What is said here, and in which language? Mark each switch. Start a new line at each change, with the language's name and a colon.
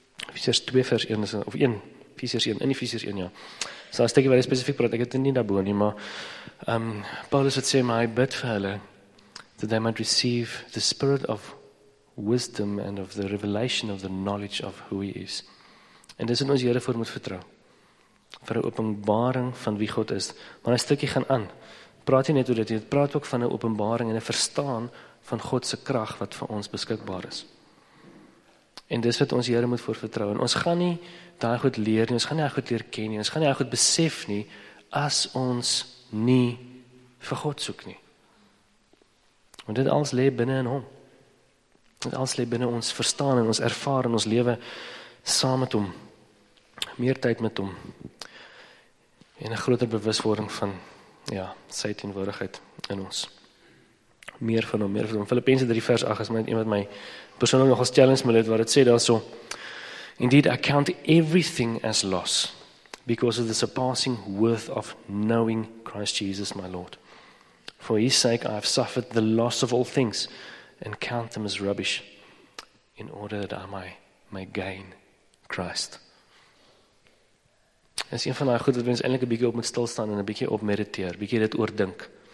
Afrikaans: Efesiërs 2 vers 1 of 1 Efesiërs 1 in Efesiërs 1 ja. So as ek baie spesifiek praat, ek het dit nie daarbo nie, maar Paulus het sê maar hy bid vir hulle
English: that they might receive the spirit of wisdom and of the revelation of the knowledge of who he is.
Afrikaans: En dis wat ons Here voor moet vertrou. Vir 'n openbaring van wie God is. Maar 'n stukkie gaan aan. Praat jy net oor dit, jy praat ook van 'n openbaring en 'n verstaan van God se krag wat vir ons beskikbaar is. En dis wat ons Here moet voor vertrou. En ons gaan nie daai goed leer nie, ons gaan nie daai goed leer ken nie, ons gaan nie daai goed besef nie as ons nie vir God soek nie. Want dit alles lê binne in hom. Dit alles lê binne ons verstaan en ons ervaar in ons lewe saam met hom. Meer tyd met hom. En 'n groter bewuswording van ja, sy teenwoordigheid in ons. Meer van hom, meer van hom. Filippense 3 vers 8 is my een wat my persoonlik nogal challenge my het, wat dit sê daarso:
English: Indeed I count everything as loss because of the surpassing worth of knowing Christ Jesus my Lord. For his sake I have suffered the loss of all things and count them as rubbish in order that I may gain Christ.
Afrikaans: Dit is een van die goed wat ons eintlik 'n bietjie op moet stilstaan en 'n bietjie op mediteer, bietjie dit oordink.